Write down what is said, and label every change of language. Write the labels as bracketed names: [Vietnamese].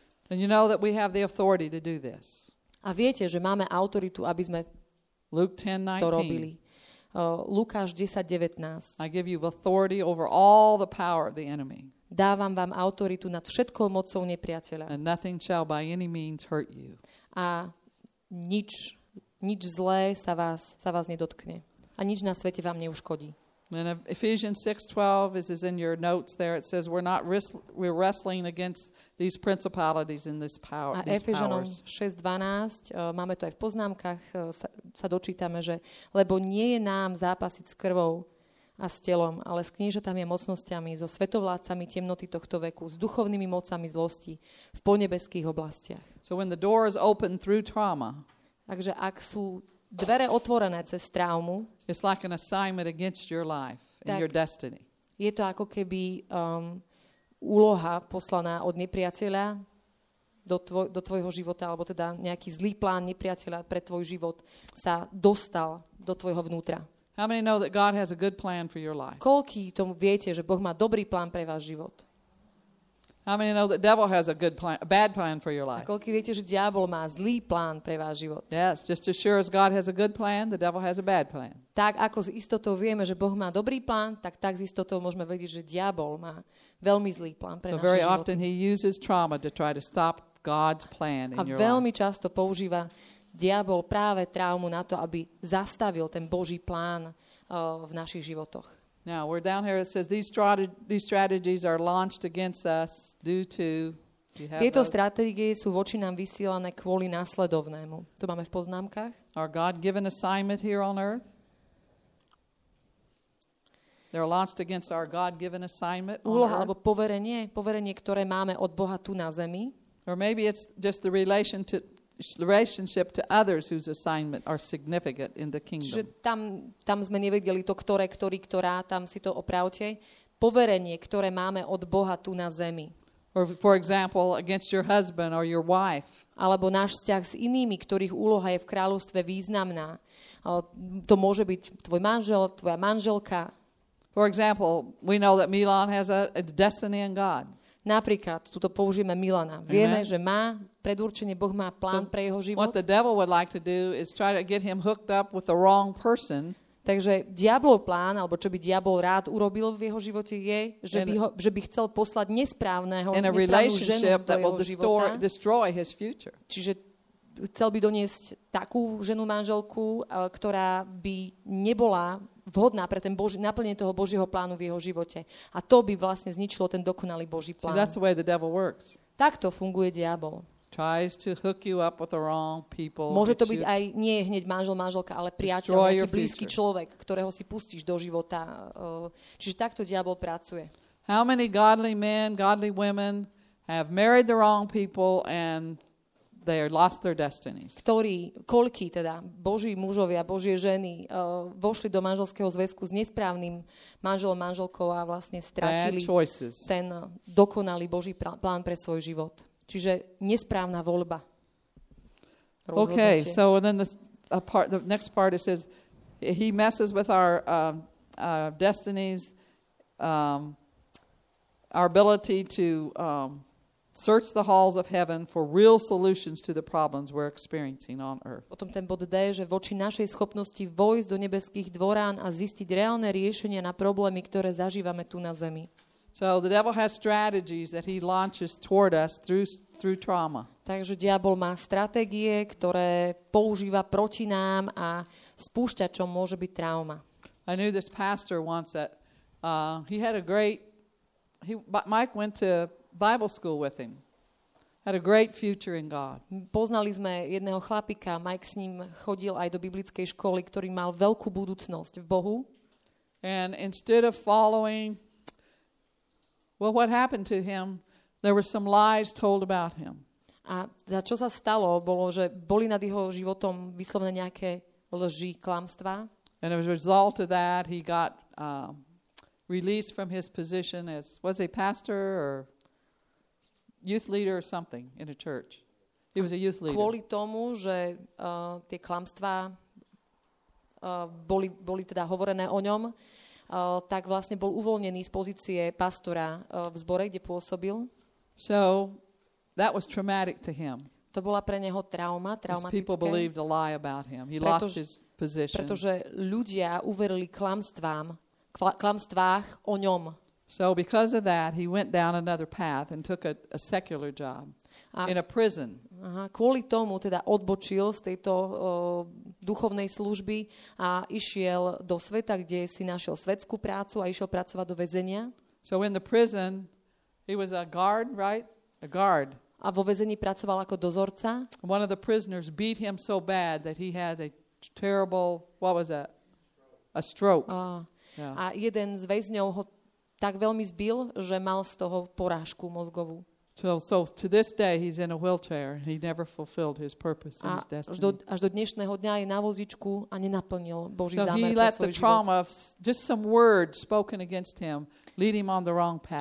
[English] And you know that we have the authority to do this. [Slovak] A viete, že máme autoritu, aby sme to robili. Lukáš 10:19. [English] I give you authority over all the power of the enemy. [Slovak] Dávam vám autoritu nad všetkou mocou nepriateľa. [English] And nothing shall by any means hurt you. [Slovak] A nič zlé sa vás nedotkne. A nič na svete vám neuškodí. [English] And Ephesians 6:12 is in your notes there. It says we're wrestling against these principalities and this power. [Slovak] A Efezanom 6:12, máme to aj v poznámkach, sa dočítame, že lebo nie je nám zápasiť s krvou a s telom, ale s knížatami a mocnosťami, so svetovládcami temnoty tohto veku, s duchovnými mocami zlosti v ponebeských oblastiach. [English] So when the door is open through trauma. [Slovak] Takže ak sú dvere otvorené cez traumu, [English] it's like an assignment against your life and your destiny. [Slovak] Je to ako keby úloha poslaná od nepriateľa do tvojho života, alebo teda nejaký zlý plán nepriateľa pre tvoj život sa dostal do tvojho vnútra. [English] How many know that God has a good plan for your life? [Slovak] Koľký tomu viete, že Boh má dobrý plán pre váš život? [English] How many know that devil has a good plan, a bad plan for your life? [Slovak] A koľký viete, že diabol má zlý plán pre váš život? [English] Yes, just as sure as God has a good plan, the devil has a bad plan. [Slovak] Tak ako s istotou vieme, že Boh má dobrý plán, tak s istotou môžeme vedieť, že diabol má veľmi zlý plán pre náš [English] život. So very often he uses trauma to try to stop God's plan in your life. [Slovak] A veľmi často používa diabol práve traumu na to, aby zastavil ten Boží plán v našich životoch. [English] Now, we're down here, it says these strategies are launched against us due to... [Slovak] Tieto stratégie sú voči nám vysielané kvôli nasledovnému. To máme v poznámkach. [English] Our God-given assignment here on earth. They're launched against our God-given assignment on earth. [Slovak] Úloha alebo poverenie, ktoré máme od Boha tu na zemi. [English] Or maybe it's just the relationship to others whose assignment are significant in the kingdom. [Slovak] Čiže tam sme nevedeli to, ktorá, tam si to opravte. Poverenie, ktoré máme od Boha tu na zemi. [English] Or for example, against your husband or your wife. [Slovak] Alebo náš vzťah s inými, ktorých úloha je v kráľovstve významná. To môže byť tvoj manžel, tvoja manželka. [English] For example, we know that Milan has a destiny in God. [Slovak] Napríklad, tuto použijeme Milana. Vieme, Amen. Že má predurčenie, Boh má plán [English] so [Slovak] pre jeho život. [English] What the devil would like to do is try to get him hooked up with the wrong person. [Slovak] Takže diablov plán, alebo čo by diabol rád urobil v jeho živote je, že by chcel poslať nesprávneho, nesprávnu ženu do jeho života. [English] Destroy his future. [Slovak] Čiže chcel by doniesť takú ženu, manželku, ktorá by nebola vhodná pre ten Boží, naplnenie toho Božieho plánu v jeho živote. A to by vlastne zničilo ten dokonalý Boží plán. [English] So that's the way the devil works. [Slovak] Takto funguje diabol. [English] Tries to hook you up with the wrong people. [Slovak] Môže to byť aj nie hneď manžel, manželka, ale priateľ, nejaký blízky človek, ktorého si pustíš do života. Čiže takto diabol pracuje. [English] How many godly men, godly women have married the wrong people and they are lost their destinies. [Slovak] Ktorí, koľkí teda, Boží mužovia, Božie ženy, vošli do manželského zväzku s nesprávnym manželom, manželkou a vlastne stratili ten dokonalý Boží plán pre svoj život. Čiže nesprávna voľba. Rozhodnete. [English] Okay, so then the next part it says he messes with our destinies, our ability to search the halls of heaven for real solutions to the problems we're experiencing on earth. [Slovak] Potom ten bod D, že voči našej schopnosti vojsť do nebeských dvorán a zistiť reálne riešenia na problémy, ktoré zažívame tu na zemi. [English] So the devil has strategies that he launches toward us through trauma. [Slovak] Takže diabol má stratégie, ktoré používa proti nám a spúšťa, čo môže byť trauma. [English] I knew this pastor once that he had a great Mike went to Bible school with him. Had a great future in God. [Slovak] Poznali sme jedného chlapika, Mike s ním chodil aj do biblickej školy, ktorý mal veľkú budúcnosť v Bohu. [English] And instead of following what happened to him, there were some lies told about him. [Slovak] A za čo sa stalo, bolo, že boli nad jeho životom vyslovené nejaké lži, klamstvá. [English] And as a result of that, he got released from his position as was a pastor or youth leader or something in a church. He was a youth leader. [Slovak] Kvôli tomu, že tie klamstvá boli teda hovorené o ňom, tak vlastne bol uvoľnený z pozície pastora v zbore, kde pôsobil. [English] So that was traumatic to him. [Slovak] To bola pre neho trauma, traumatické. [English] People believed a lie about him. He lost his position. [Slovak] Pretože ľudia uverili klamstvám, klamstvách o ňom. [English] So because of that, he went down another path and took a secular job in a prison. [Slovak] Aha, kvôli tomu teda odbočil z tejto duchovnej služby a išiel do sveta, kde si našiel svetskú prácu a išiel pracovať do väzenia. [English] So in the prison, he was a guard, right? A guard. [Slovak] A vo väzení pracoval ako dozorca. [English] One of the prisoners beat him so bad that he had a terrible, what was that? A stroke. Yeah. [Slovak] A jeden z väzňov ho tak veľmi zbil, že mal z toho porážku mozgovú. [English] So to this day he's in a wheelchair. He never fulfilled his purpose and his destiny. [Slovak] Až do dnešného dňa je na vozičku a nenaplnil Boží zámer pre svoj život. [English] So he let the trauma of just some words spoken against him lead him on the wrong path.